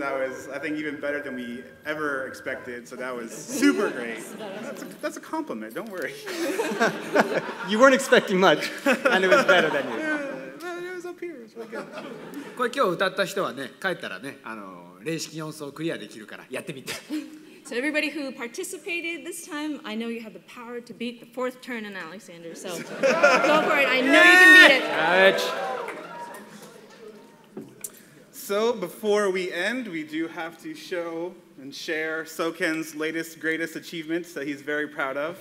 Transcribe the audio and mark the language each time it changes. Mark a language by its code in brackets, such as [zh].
[en] That was, I think, even better than we ever expected. So that was super great. That's a compliment. Don't worry. You weren't expecting much, and it was better than you. [ja] これ今日歌った人はね、帰ったらね、あの零式四層クリアできるからやってみて。 [en] So everybody who participated this time, I know you have the power to beat the fourth turn in Alexander. So go for it. I know you can beat it. Ouch. So before we end, we do have to show and share Soken's latest, greatest achievements that he's very proud of.